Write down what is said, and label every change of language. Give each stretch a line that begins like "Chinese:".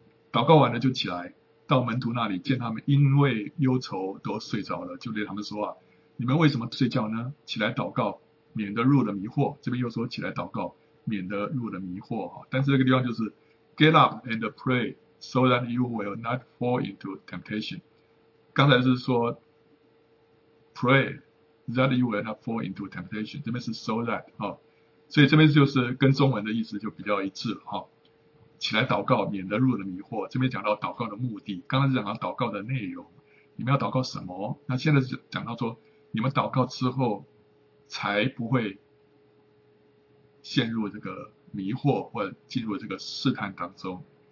Chinese: 祷告完了就起来到门徒那里，见他们因为忧愁都睡着了，就对他们说啊，你们为什么睡觉呢？起来祷告免得入了迷惑。这边又说起来祷告免得入了迷惑，但是这个地方就是
English: get up and pray so that you will not fall into temptation.
Chinese: 刚才是说
English: pray that you will not fall into temptation.
Chinese: 这边是 so that, 所以这边就是跟中文的意思就比较一致了。起来祷告，免得入了迷惑。这边讲到祷告的目的，刚才是讲到祷告的内容，你们要祷告什么？那现在是讲到说，你们祷告之后才不会陷入这个迷惑或者进入这个试探当中。